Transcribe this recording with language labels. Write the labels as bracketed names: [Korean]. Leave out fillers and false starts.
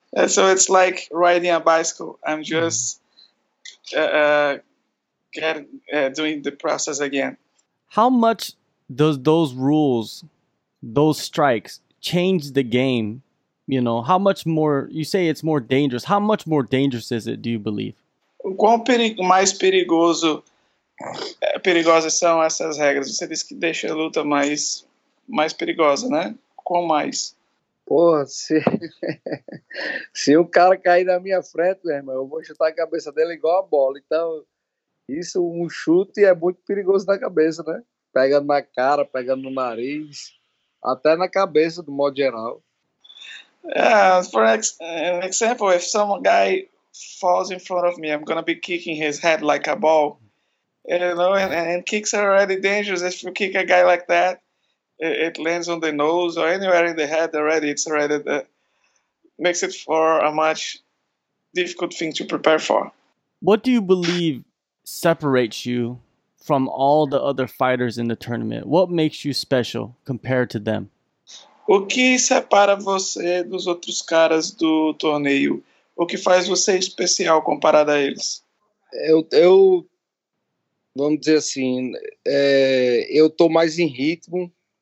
[English] So it's like riding a bicycle. I'm just doing the process again. How much does those rules, those strikes, change the game? You know, how much more, you say it's more dangerous. How much more dangerous is it, do you believe? [Portuguese] Quão mais perigosas são essas regras? Você disse que deixa a luta mais perigosa, né? Quão mais? Pô, se um cara cair na minha frente, meu irmão, eu vou chutar a cabeça dele igual a bola. Então, isso, um chute é muito perigoso na cabeça, né? Pegando na cara, pegando no nariz, até na cabeça, do modo geral. [English] For an example, if some guy falls in front of me, I'm going to be kicking his head like a ball. You know, and kicks are already dangerous. If you kick a guy like that, it lands on the nose or anywhere in the head already. It's already makes it for a much difficult thing to prepare for. What do you believe separates you from all the other fighters in the tournament? What makes you special compared to them? [Portuguese] O que separa você dos outros caras do torneio? O que faz você especial comparado a eles? Eu vamos dizer assim, eu tô mais em ritmo.